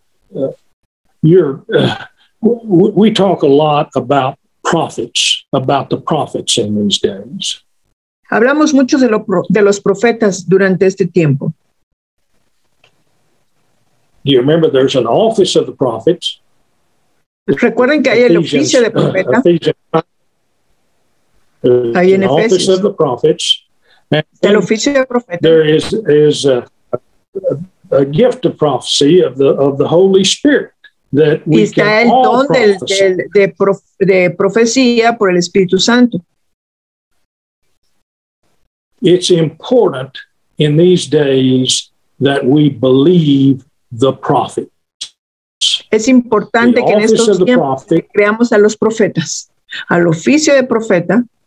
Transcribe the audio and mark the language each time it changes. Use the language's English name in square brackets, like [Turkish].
[English] We talk a lot about prophets, about the prophets in these days. [Spanish] Hablamos mucho de los profetas durante este tiempo. [English] Do you remember there's an office of the prophets? [Spanish] Recuerden que hay el oficio de profeta. Ahí en Efesios. [English] Of the prophets, [Spanish] el oficio de profeta. [English] There is a gift of prophecy of the Holy Spirit that we can all prophesy. [Spanish] Y está el don de profecía por el Espíritu Santo. [English] It's important in these days that we believe the prophet. [Spanish] Es importante que en estos tiempos creamos a los profetas, al oficio de profeta.